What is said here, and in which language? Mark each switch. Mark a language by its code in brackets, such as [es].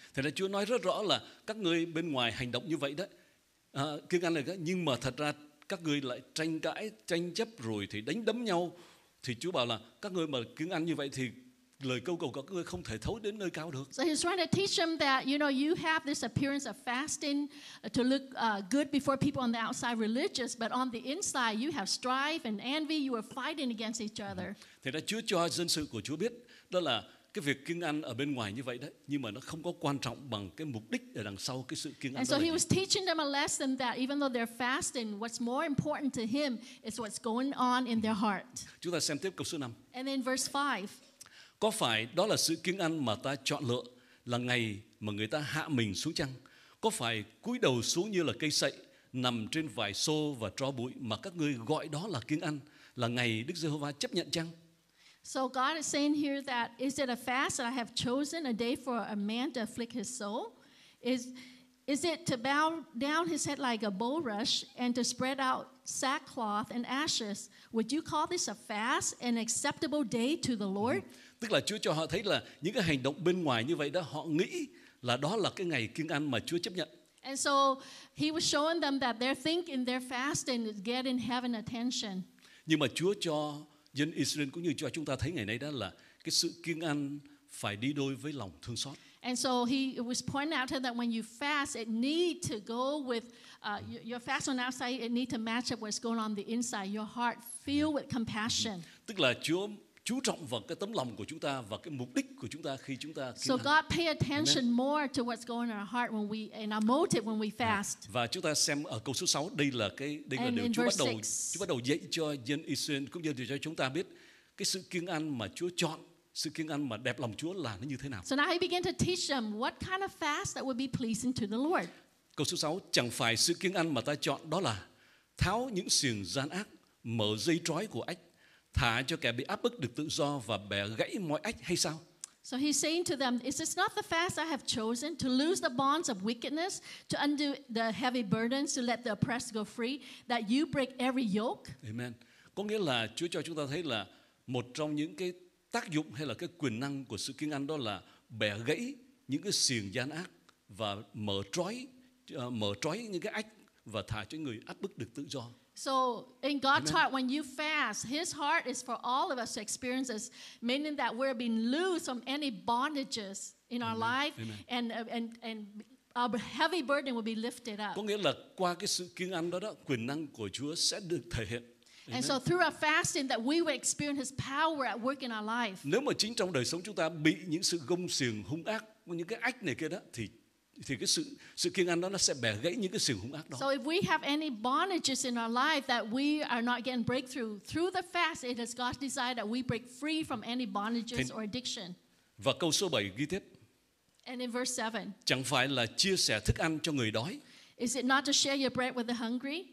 [vi] Thế là Chúa nói rất rõ là các ngươi bên ngoài hành động như vậy đó, Kiêng Anh là nhưng mà thật ra các ngươi lại tranh cãi, tranh chấp rồi thì đánh đấm nhau. Thì Chúa bảo là các ngươi mà kiêng ăn như vậy thì lời cầu cầu của các ngươi không thể thấu đến nơi cao được. [en] So he's trying to teach them that, you know, you have this appearance of fasting to look good before people on the outside religious, but on the inside you have strife and envy, you are fighting against each other. [vi] Thì đã Chúa cho dân sự của Chúa biết đó là cái việc kiêng ăn ở bên ngoài như vậy đấy, nhưng mà nó không có quan trọng bằng cái mục đích ở đằng sau cái sự kiêng ăn. [en] And so he was teaching them a lesson that even though they're fasting, what's more important to him is what's going on in their heart. [vi] Chúng ta xem tiếp câu số 5. [en] And then verse 5. [vi] Có phải đó là sự kiêng ăn mà ta chọn lựa, là ngày mà người ta hạ mình xuống chăng? Có phải cúi đầu xuống như là cây sậy, nằm trên vải xô và tro bụi mà các ngươi gọi đó là kiêng ăn, là ngày Đức Giê-hô-va chấp nhận chăng? [en] So God is saying here that is it a fast that I have chosen, a day for a man to afflict his soul? Is it to bow down his head like a bulrush and to spread out sackcloth and ashes? Would you call this a fast, an acceptable day to the Lord? [vi] Tức là Chúa cho họ thấy là những cái hành động bên ngoài như vậy đó, họ nghĩ là đó là cái ngày kiêng ăn mà Chúa chấp nhận. [en] And so he was showing them that their thinking, their fasting is getting heaven attention. [vi] Nhưng mà Chúa cho dân Israel cũng như cho chúng ta thấy ngày nay đó là cái sự kiêng ăn phải đi đôi với lòng thương xót. [en] And so he was pointing out to them that when you fast, it need to go with your fast on outside, it need to match up what's going on the inside, your heart filled with compassion. [vi] Tức là Chúa chú trọng vào cái tấm lòng của chúng ta và cái mục đích của chúng ta khi chúng ta kiêng ăn. [en] So God pay attention more to what's going on our heart when we and our motive when we fast. [vi] Và chúng ta xem ở câu số 6, đây là điều Chúa bắt đầu dạy cho dân Israel cũng như cho chúng ta biết cái sự kiêng ăn mà Chúa chọn, sự kiêng ăn mà đẹp lòng Chúa là nó như thế nào. [en] So now he began to teach them what kind of fast that would be pleasing to the Lord. [vi] Câu số 6, chẳng phải sự kiêng ăn mà ta chọn đó là tháo những xiềng gian ác, mở dây trói của ách, thả cho kẻ bị áp bức được tự do và bẻ gãy mọi ách hay sao? [en] So he's saying to them, is this not the fast I have chosen to lose the bonds of wickedness, to undo the heavy burdens, to let the oppressed go free, that you break every yoke? Amen. [vi] Có nghĩa là Chúa cho chúng ta thấy là một trong những cái tác dụng hay là cái quyền năng của sự kiêng ăn đó là bẻ gãy những cái xiềng gian ác và mở trói những cái ách và thả cho người áp bức được tự do. [en] So in God's heart, when you fast, His heart is for all of us to experience this, meaning that we're being loose from any bondages in our life, and our heavy burden will be lifted up. [vi] Có nghĩa là qua cái sự kiêng ăn đó đó, quyền năng của Chúa sẽ được thể hiện. [en] And so through our fasting, that we will experience His power at work in our life. [vi] Nếu mà chính trong đời sống chúng ta bị những sự gông xiềng hung ác, những cái ách này kia đó, thì cái sự kiêng ăn đó nó sẽ bẻ gãy những cái xiềng hung ác đó. [en] So if we have any bondages in our life that we are not getting breakthrough through the fast, it is God's desire that we break free from any bondages or addiction. [vi] Và câu số 7 ghi tiếp. [en] And in verse 7. [vi] Chẳng phải là chia sẻ thức ăn cho người đói? [en] Is it not to share your bread with the hungry?